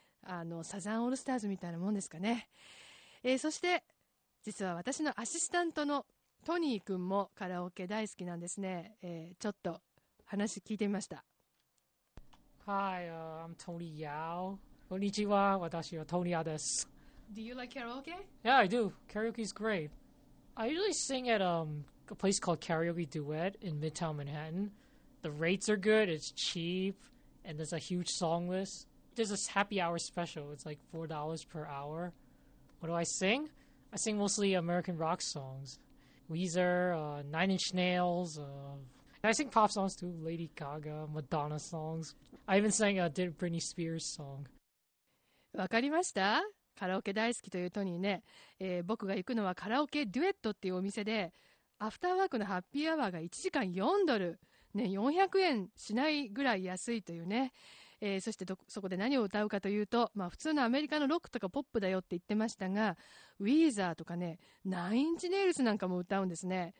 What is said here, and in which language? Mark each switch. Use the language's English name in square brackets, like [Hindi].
[Japanese] あのサザンオールスターズみたいなもんですかね。そして実は私のアシスタントのトニー君もカラオケ大好きなんですね。ちょっと話聞いてみました。 [English] Hi, I'm Tony Yao。 [Japanese] こんにちは、私はトニアです。 [English] Do you like karaoke? Yeah, I do. Karaoke is great. I usually sing at a place called Karaoke Duet in Midtown Manhattan. The rates are good, it's cheap, and there's a huge song list. There's this happy hour special, it's like $4 per hour. What do I sing? I sing mostly American rock songs. Weezer, Nine Inch Nails, and I sing pop songs too, Lady Gaga, Madonna songs. I even sang a Britney Spears song. [Japanese] わかりました。カラオケ大好きというトニーね、僕が行くのはカラオケデュエットっていうお店で、アフターワークのハッピーアワーが1時間4ドル、ね、400円しないぐらい安いというね。そしてそこで何を歌うかというと、まあ、普通のアメリカのロックとかポップだよって言ってましたが、ウィーザーとかね、ナインチネイルスなんかも歌うんですね。